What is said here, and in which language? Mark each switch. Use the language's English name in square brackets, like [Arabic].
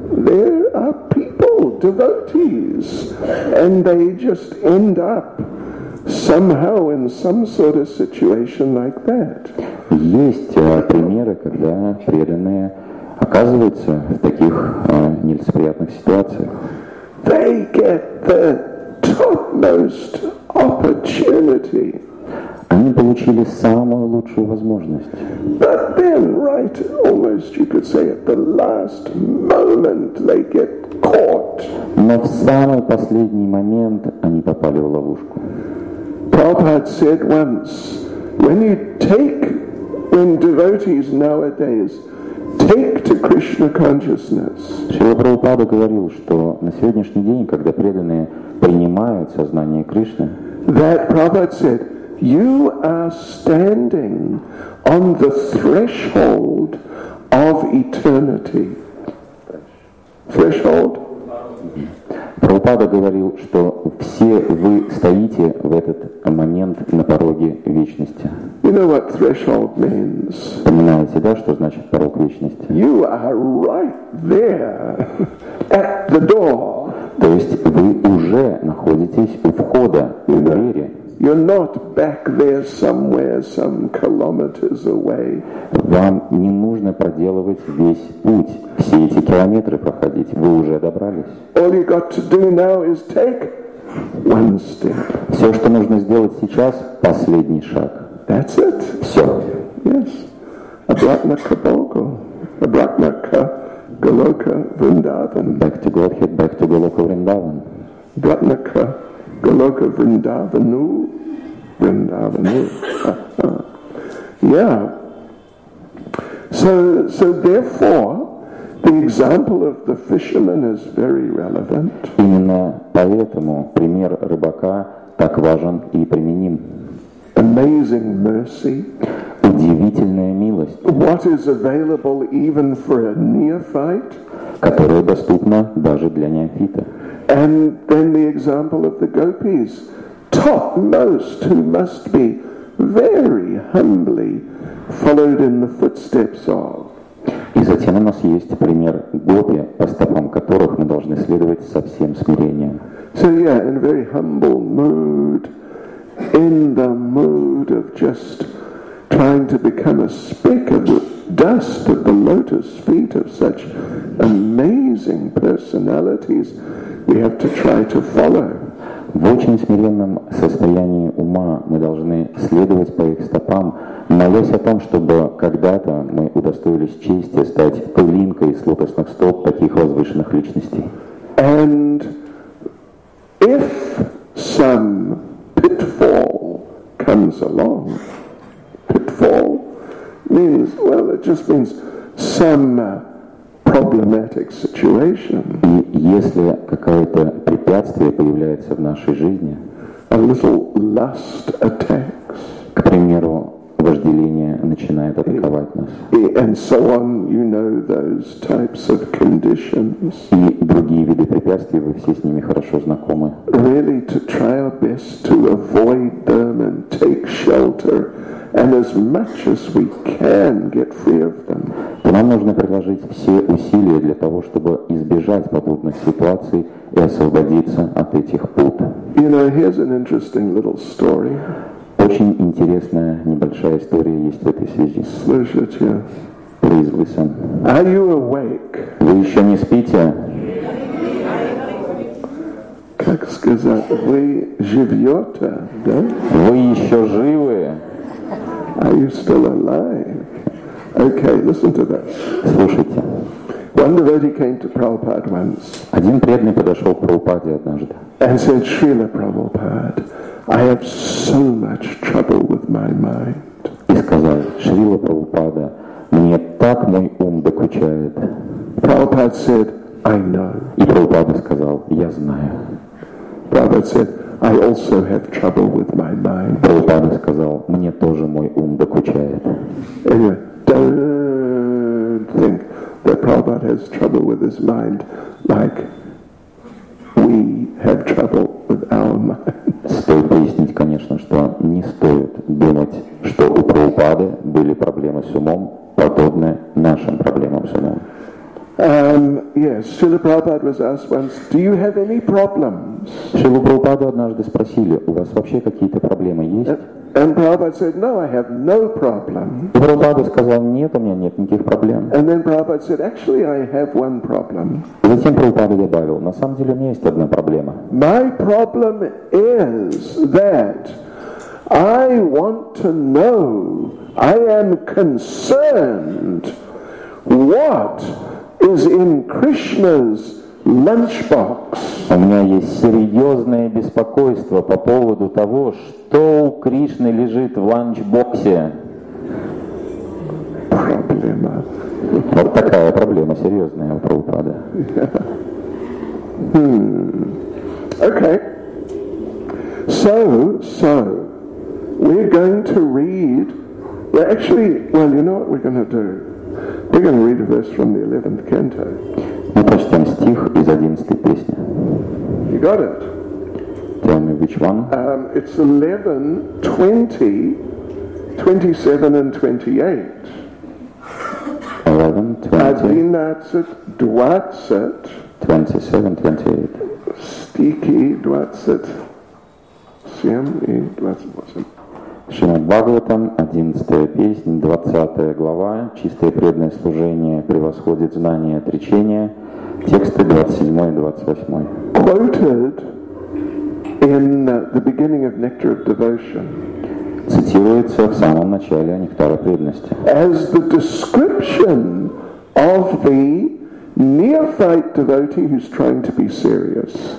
[English] There are people, devotees, and they just end up somehow in some sort of situation like that. [Russian] Есть примеры, когда преданные оказываются в таких нелицеприятных ситуациях. [English] They get the topmost opportunity. [Russian] Они получили самую лучшую возможность. [English] But then, right, almost you could say at the last moment they get caught. [Russian] Но в самый последний момент они попали в ловушку. [English] Prabhupada said once, when devotees nowadays take to Krishna consciousness. [Russian] Шрила Прабхупада говорил, что на сегодняшний день, когда преданные принимают сознание Кришны, [English] that Prabhupada said, you are standing on the threshold of eternity. Threshold? [Russian] Прабхупада говорил, что все вы стоите в этот момент на пороге вечности. [English] You know what threshold means? [Russian] Понимаете, да, что значит порог вечности? [English] You are right there at the door. [Russian] То есть вы уже находитесь у входа, у двери. [English] You're not back there somewhere some kilometers away. [Russian] Вам не нужно проделывать весь путь, все эти километры проходить. Вы уже добрались. [English] All you got to do now is take one step. [Russian] Все, что нужно сделать сейчас, последний шаг. [English] That's it. [Russian] Все. Yes. Обратно к Голоке. Обратно к Голоке Вриндаван. [English] Back to Godhead, back to Голоке Вриндаван. [Russian] Обратно к Голоке Вриндавану. Вриндавану. Yeah. [English] So therefore, the example of the fisherman is very relevant. [Russian] Именно поэтому пример рыбака так важен и применим. [English] Amazing mercy. [Russian] Удивительная милость. [English] What is available even for a neophyte? [Russian] Которая доступна даже для неофита. [English] And then the example of the gopis, topmost, who must be very humbly followed in the footsteps of. [Russian] И затем у нас есть пример гопи, по стопам которых мы должны следовать со всем смирением. [English] So yeah, in a very humble mood, in the mood of just trying to become a speck of dust at the lotus feet of such amazing personalities we have to try to follow. [Russian] В очень смиренном состоянии ума мы должны следовать по их стопам, молясь о том, чтобы когда-то мы удостоились чести стать пылинкой с лотосных стоп таких возвышенных личностей. [English] And if some pitfall comes along, pitfall means, well, it just means some problematic situation. [Russian] И если какое-то препятствие появляется в нашей жизни, [English] a little lust attacks, [Russian] к примеру, вожделение начинает атаковать нас. [English] And so on, you know those types of conditions. [Russian] И другие виды препятствий, вы все с ними хорошо знакомы. [English] Really to try our best to avoid them and take shelter. And as much as we can get free of them. [Russian] Нам нужно приложить все усилия для того, чтобы избежать подобных ситуаций и освободиться от этих пут. [English] You know, here's an interesting little story. [Russian] Очень интересная небольшая история есть в этой связи. Слышите? [English] Please listen. Are you awake? [Russian] Вы еще не спите? Как сказать? Вы живете, да? Вы еще живы? [English] Are you still alive? Okay, listen to this. [Russian] Слушайте. [English] One devotee came to Prabhupada once. [Russian] Один преданный подошел к Прабхупаде однажды. [English] And said, Srila Prabhupada, I have so much trouble with my mind. [Russian] И сказал, Шрила Прабхупада, мне так мой ум докучает. [English] Prabhupada said, I know. [Russian] И Прабхупада сказал, я знаю. [English] Prabhupada said, I also have trouble with my mind. [Russian] Прабхупада сказал, мне тоже мой ум докучает. [English] Anyway, don't think that Prabhupada has trouble with his mind like we have trouble with our minds. [Russian] Стоит пояснить, конечно, что не стоит думать, что у Прабхупады были проблемы с умом, подобные нашим проблемам с умом. [English] Yes, Srila Prabhupada was asked once, do you have any problems? [Russian] Srila Prabhupada однажды спросили, у вас вообще какие-то проблемы есть? [English] And Prabhupada said, no, I have no problem. [Russian] Prabhupada сказал, нет, у меня нет никаких проблем. [English] And then Prabhupada said, actually, I have one problem. [Russian] Затем Prabhupada добавил, на самом деле у меня есть одна проблема. [English] My problem is that I want to know, I am concerned, what is in Krishna's lunchbox. [Russian] У меня есть серьезное беспокойство по поводу того, что у Кришны лежит в ланчбоксе. Проблема. Вот такая проблема серьезная у Прабхупады. [English] Okay. So, we're going to read. Well, you know what we're going to do. We're going to read a verse from the 11th canto. [Russian] Мы прочитаем стих из 11-й песни. [English] You got it? Tell me which one. It's 11, 20, 27 and 28. 11, 20. Adinatsat, dvatsat. 27, 28. Stiki, dvatsat. Siam, e, dvatsat, vatsat. [Russian] Шримад Бхагаватам, 11-я песня, 20-я глава, чистое преданное служение превосходит знание отречения, тексты 27 и 28. [English] Quoted in the beginning of Nectar of Devotion. [Russian] Цитируется в самом начале Нектара преданности. [English] As the description of the neophyte devotee who's trying to be serious.